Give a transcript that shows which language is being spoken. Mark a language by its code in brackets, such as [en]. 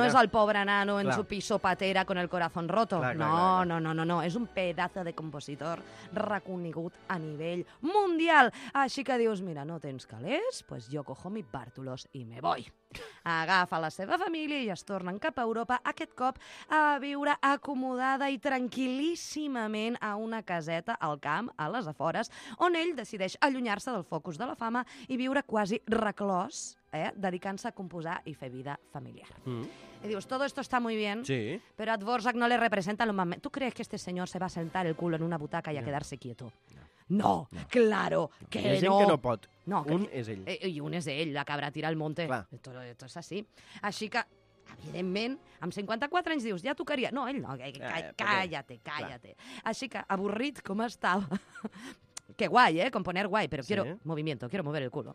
[ca] no és el pobre nano [es] en su piso patera con el corazón roto. [ca] Clar, no. És un pedazo de compositor reconegut a nivell mundial. Així que dius, mira, no tens calés? [es] Pues yo cojo mi Bartulos y me voy. [ca] Agafa la seva família i es tornen cap a Europa, aquest cop a viure acomodada i tranquil·líssimament a una caseta al camp, a les afores, on ell decideix allunyar-se del focus de la fama i viure quasi reclòs, dedicant-se a composar i fer vida familiar. I dius, [es] todo esto está muy bien, però a Dvořák no le representa lo más... ¿Tú crees que este señor se va a sentar el culo en una butaca y a quedarse quieto? No, claro que no. [ca] Hi ha gent que no pot. Un és ell. I un és ell, [es] la cabra tira al monte. [ca] Clar. [es] Esto es así. [ca] Així que, evidentment, amb 54 anys dius, ja tocaria. No, ell no. Cállate. Clar. Així que, avorrit com estava. [es] Que guai, componer guai, però quiero mover el culo.